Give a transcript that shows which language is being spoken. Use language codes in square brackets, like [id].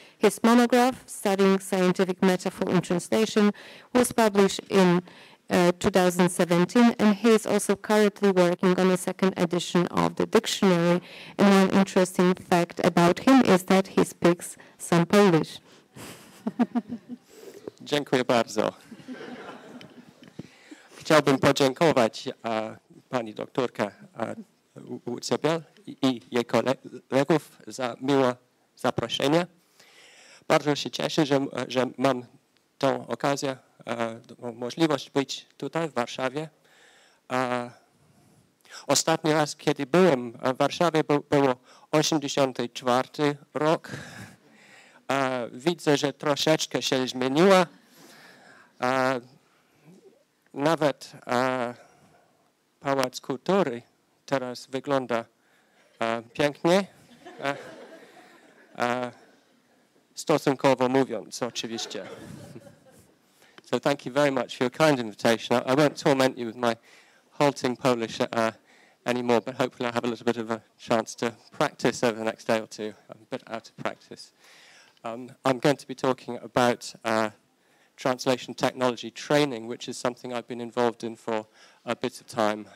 [en] His monograph, Studying Scientific Metaphor in Translation, was published in 2017, and he is also currently working on a second edition of the dictionary. And one interesting fact about him is that he speaks some Polish. [pl] Dziękuję bardzo. Chciałbym podziękować pani doktorkę Łucję Biel i jej kolegów za miłe zaproszenie. Bardzo się cieszę, że mam tę okazję, możliwość być tutaj w Warszawie. Ostatni raz, kiedy byłem w Warszawie, było 84 rok. Widzę, że troszeczkę się zmieniło. Nawet Pałac Kultury teraz wygląda pięknie. Stosunkowo mówiąc, oczywiście. [en] So thank you very much for your kind invitation. I won't torment you with my halting Polish anymore, but hopefully I'll have a little bit of a chance to practice over the next day or two. I'm a bit out of practice. I'm going to be talking about translation technology training, which is something I've been involved in for a bit of time.